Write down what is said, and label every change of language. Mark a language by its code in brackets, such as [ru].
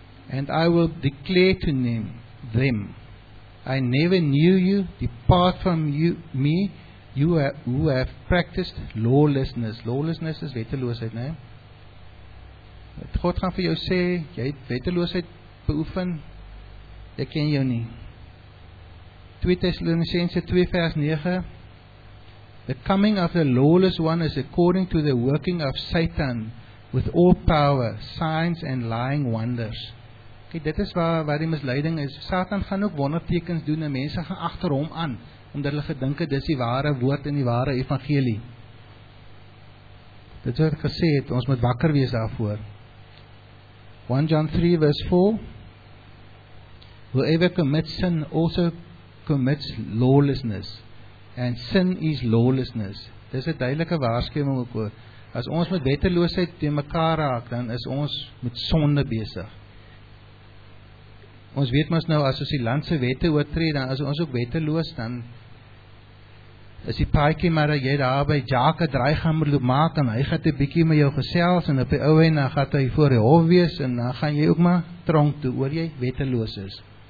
[en] And I will declare to them, I never knew you, depart from you, me, you who have practiced lawlessness. [af] Lawlessness is wetteloosheid, né? God gaan vir jou sê, jy het wetteloosheid beoefen, ek ken jou nie. 2 Thessalonicense 2 vers 9, [en] the coming of the lawless one is according to the working of Satan, with all power, signs and lying wonders. [af] Okay, dit is waar die misleiding is. Satan gaan ook wondertekens doen en mense gaan agter hom aan, omdat hulle gedink het dis die ware woord en die ware evangelie. Dit is wat ek gesê het, ons moet wakker wees daarvoor. [en] 1 John 3 vers 4, whoever commits sin also commits lawlessness, and sin is lawlessness. [af] Dit is 'n duidelike waarskuwing ook oor. As ons met wetteloosheid te mekaar raak, dan is ons met sonde besig. Ons weet mos nou, as ons die land se wette oortree, dan as ons ook wetteloos, dan is die paadjie maar dat jy daar by Jake draai gaan moet maak, en hy gaan 'n bietjie met jou gesels, en op die ou en dan gaan hy voor die hof wees, en dan gaan jy ook maar tronk toe, oor jy wetteloos is.